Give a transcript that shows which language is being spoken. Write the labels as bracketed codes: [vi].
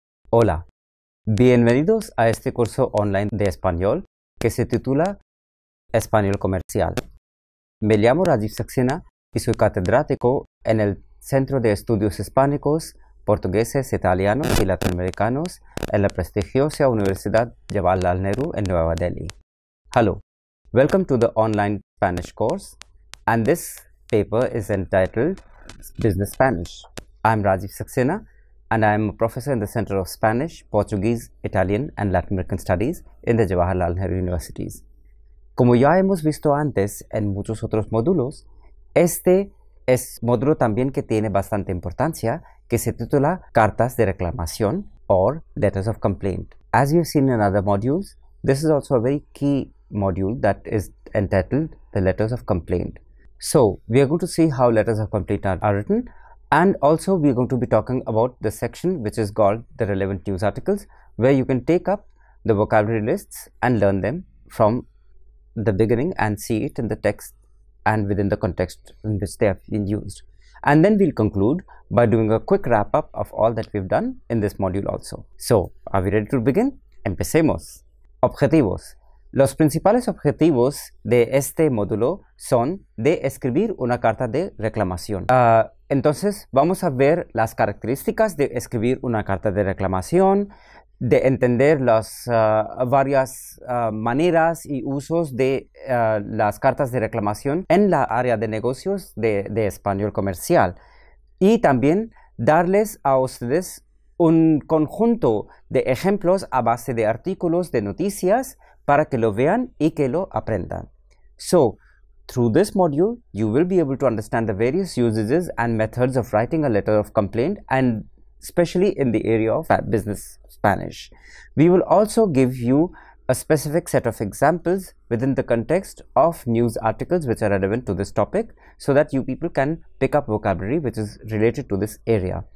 [es] Hola, bienvenidos a este curso online de español que se titula Español Comercial. Me llamo Rajiv Saxena y soy catedrático en el Centro de Estudios Hispánicos, Portugueses, Italianos y Latinoamericanos en la prestigiosa Universidad Jawaharlal Nehru en Nueva Delhi. [en] Hello, welcome to the online Spanish course, and this paper is entitled Business Spanish. I'm Rajiv Saxena, and I am a professor in the Center of Spanish, Portuguese, Italian and Latin American Studies in the Jawaharlal Nehru Universities. [es] Como ya hemos visto antes en muchos otros módulos, este es un módulo también que tiene bastante importancia, que se titula Cartas de Reclamación [en] or Letters of Complaint. As you've seen in other modules, this is also a very key module that is entitled the Letters of Complaint. So, we are going to see how letters of complaint are written. And also, we are going to be talking about the section which is called the relevant news articles, where you can take up the vocabulary lists and learn them from the beginning and see it in the text and within the context in which they have been used. And then we'll conclude by doing a quick wrap up of all that we've done in this module also. So, are we ready to begin? [es] Empecemos. Objetivos. Los principales objetivos de este módulo son de escribir una carta de reclamación. Entonces, vamos a ver las características de escribir una carta de reclamación, de entender las varias maneras y usos de las cartas de reclamación en la área de negocios de español comercial. Y también darles a ustedes un conjunto de ejemplos a base de artículos de noticias para que lo vean y que lo aprendan. [en] So, through this module, you will be able to understand the various usages and methods of writing a letter of complaint, and especially in the area of business Spanish. We will also give you a specific set of examples within the context of news articles which are relevant to this topic, so that you people can pick up vocabulary which is related to this area.